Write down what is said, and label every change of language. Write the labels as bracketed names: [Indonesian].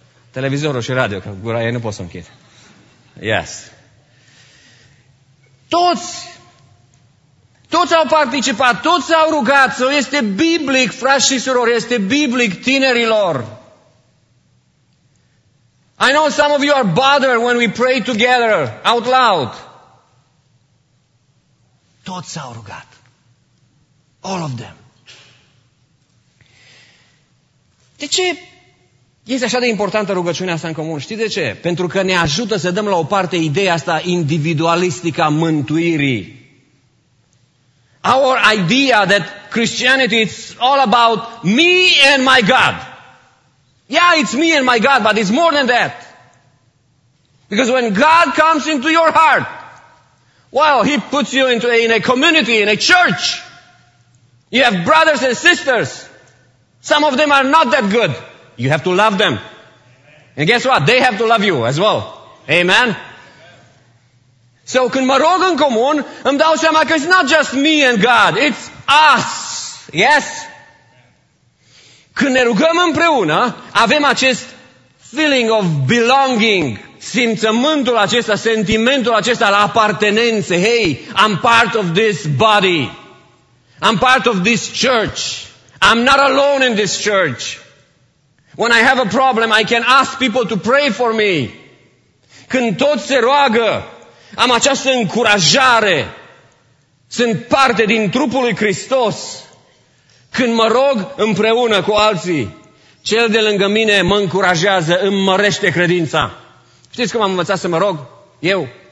[Romanian] Televizorul și radio, că gura ei nu pot să închid. Yes. Toți au participat, toți au rugat, sau este biblic, frați și surori, este biblic tinerilor. [English] I know some of you are bothered when we pray together out loud. [Romanian] Toți au rugat. [English] All of them. [Romanian] De ce este așa de importantă rugăciunea asta în comun? Știți de ce? Pentru că ne ajută să dăm la o parte ideea asta individualistică a mântuirii. [English] Our idea that Christianity is all about me and my God. Yeah, it's me and my God, but it's more than that. Because when God comes into your heart, well, he puts you into in a community, in a church. You have brothers and sisters. Some of them are not that good. You have to love them. And guess what? They have to love you as well. Amen? [Romanian] So, când mă rog în comun, îmi dau seama că [English] it's not just me and God. It's us. Yes? [Romanian] Când ne rugăm împreună, avem acest [English] feeling of belonging. [Romanian] Simțământul acesta, sentimentul acesta al apartenențe. [English] Hey, I'm part of this body. I'm part of this church. I'm not alone in this church. When I have a problem, I can ask people to pray for me. [Romanian] Când toți se roagă, am această încurajare. Sunt parte din trupul lui Hristos. Când mă rog împreună cu alții, cel de lângă mine mă încurajează, îmi mărește credința. Știți cum am învățat să mă rog? Eu.